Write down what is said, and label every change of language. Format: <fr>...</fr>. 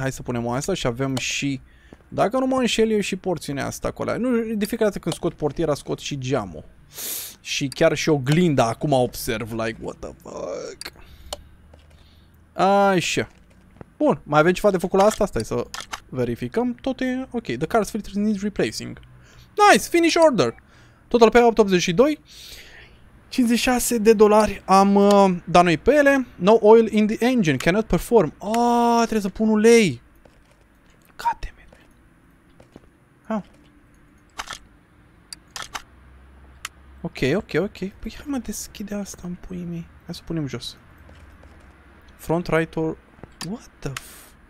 <ro>Hai să punem asta și avem și, dacă nu mă înșel eu, și porțiunea asta acolo. Nu, de fiecare dată când scot portiera, scot și geamul. Și chiar și oglinda, acum observ,</ro> <en>like, what the fuck.</en> <ro>Așa. Bun, mai avem ceva de făcut la asta? Stai să verificăm. Tot e ok.</ro> <en>The car's filter needs replacing. Nice, finish order.</en> <ro>Total pe 882. 56 de dolari am dat noi pe ele.</ro> <en>No oil in the engine, cannot perform.</en> <ro>Ah, oh, trebuie să pun ulei. Cate. Ok, ok, ok. Păi hai mă deschide asta în puii mei. Hai să punem jos.</ro> <en>Front right or... What the f...</en>